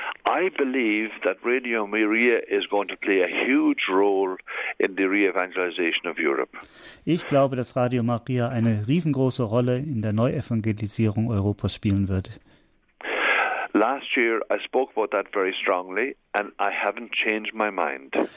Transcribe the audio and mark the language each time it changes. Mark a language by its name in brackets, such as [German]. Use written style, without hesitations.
[English] I believe that Radio Maria is going to play a huge role in the re-evangelization of Europe. [German] Ich glaube, dass Radio Maria eine riesengroße Rolle in der Neuevangelisierung Europas spielen wird. [English] Last year I spoke about that very strongly and I haven't changed my mind.